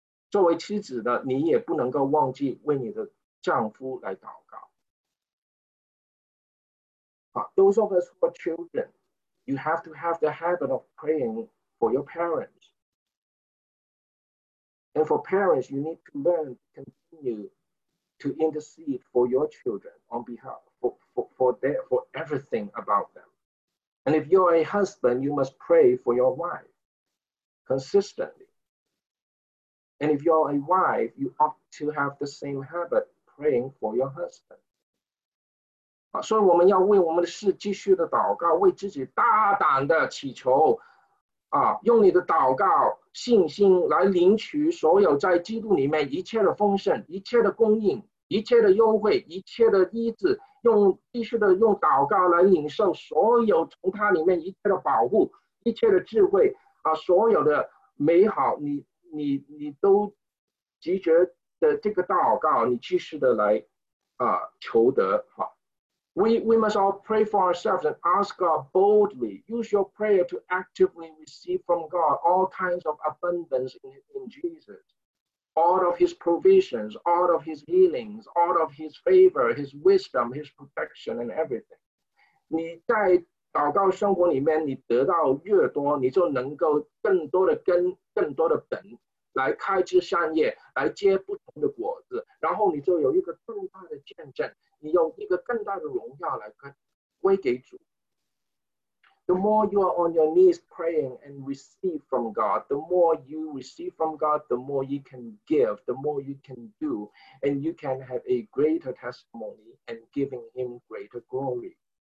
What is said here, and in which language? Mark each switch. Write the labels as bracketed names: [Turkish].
[Chinese] 作为妻子的，你也不能够忘记为你的丈夫来祷告。 [English] Those of us who are children, you have to have the habit of praying for your parents. And for parents, you need to learn to continue to intercede for your children on behalf, for everything about them. And if you're a husband, you must pray for your wife consistently. And if you're a wife, you ought to have the same habit praying for your husband. [Chinese] 所以我们要为我们的事继续的祷告，为自己大胆的祈求，用你的祷告信心来领取所有在基督里面一切的丰盛，一切的供应，一切的优惠，一切的医治，用继续的用祷告来领受所有从他里面一切的保护，一切的智慧啊，所有的美好，你都集结的这个祷告，你继续的来啊求得哈。 [English] We must all pray for ourselves and ask God boldly. Use your prayer to actively receive from God all kinds of abundance in Jesus. All of his provisions, all of his healings, all of his favor, his wisdom, his protection, and everything. [Chinese] 你在祷告生活里面，你得到越多，你就能够更多的根，更多的本，来开枝散叶，来结不同的果子，然后你就有一个更大的见证，你有一个更大的荣耀来归给主。 [English] The more you are on your knees praying and receive from God, the more you receive from God, the more you can give, the more you can do, and you can have a greater testimony and giving him greater glory.